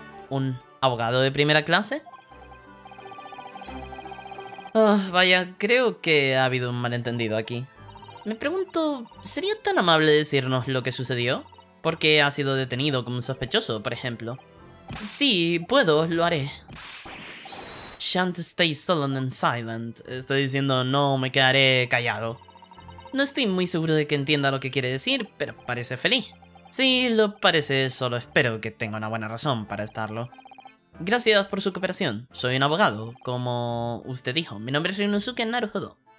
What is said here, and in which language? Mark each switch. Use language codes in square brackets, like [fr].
[es] ¿Un abogado de primera clase? Vaya, creo que ha habido un malentendido aquí. Me pregunto, ¿sería tan amable decirnos lo que sucedió? ¿Por qué ha sido detenido como un sospechoso, por ejemplo? Sí, puedo, lo haré. [en] Shan't stay sullen and silent. [es] Estoy diciendo no, me quedaré callado. No estoy muy seguro de que entienda lo que quiere decir, pero parece feliz. Sí, lo parece, solo espero que tenga una buena razón para estarlo. Gracias por su cooperación. Soy un abogado, como usted dijo. Mi nombre es Ryunosuke Naruhodo.